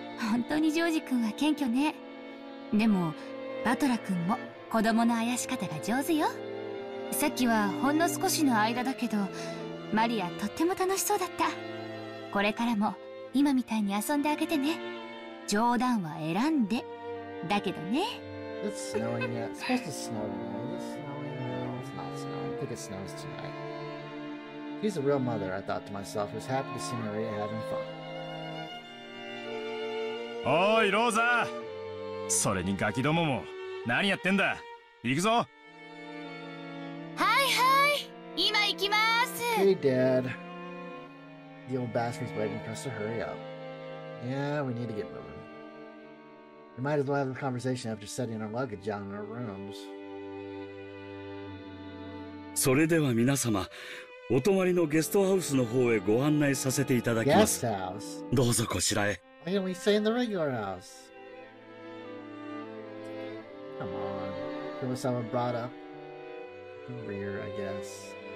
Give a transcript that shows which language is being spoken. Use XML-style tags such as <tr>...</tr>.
<ja>本当にジョージ君は謙虚ね。でもバトラ君も子供のあやし方が上手よ。さっきはほんの少しの間だけど、マリア、とっても楽しそうだった。これからも今みたいに遊んであげてね。冗談は選んでだけどね。</ja> <en>It's snowing yet. It's supposed to snow tomorrow. Is it snowing now? It's not snowing. I think it snows tonight. She's a real mother, I thought to myself, who's happy to see Maria having fun.</en> <ja>おい、ローザ！それにガキどもも、何やってんだ？行くぞ！はいはい、今行きます。</ja> <en>Hey dad. The old bastard's waiting for us to hurry up. Yeah, we need to get moving. We might as well have a conversation after setting our luggage down in our rooms.</en> <ja>それでは皆様、お泊まりのゲストハウスの方へご案内させていただきます。</ja> <en>Guest house?</en> <ja>どうぞこちらへ。</ja> <en>Why don't we stay in the regular house? Come on. Kurosawa brought up the rear, I guess.</en>